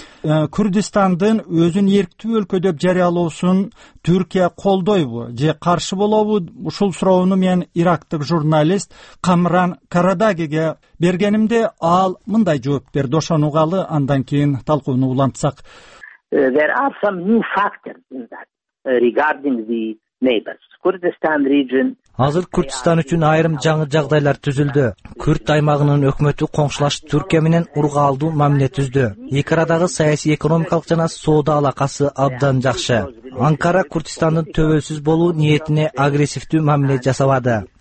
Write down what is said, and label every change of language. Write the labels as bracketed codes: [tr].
[ky] Күрдистандын өзүн эрктүү өлкө деп жарыялоосун Түркия колдойбу же каршы болобу? Ушул суроону мен ирактык журналист Камран Карадагиге бергенимде ал мындай жооп берди. Ошону угалы, андан кийин талкууну улантсак. [en] There are some new factors in that regarding the neighbors. Kurdistan region. [ky] Азыр Күрдистан үчүн айрым жаңы жагдайлар түзүлдү. Күрд аймагынын өкмөтү коңшулаш Түркия менен ургаалдуу мамиле түздү. Эки арадагы саясий, экономикалык жана соода алакасы абдан жакшы. Анкара Күрдистандын төбөлсүз болуу ниетине агрессивдүү мамиле жасабады.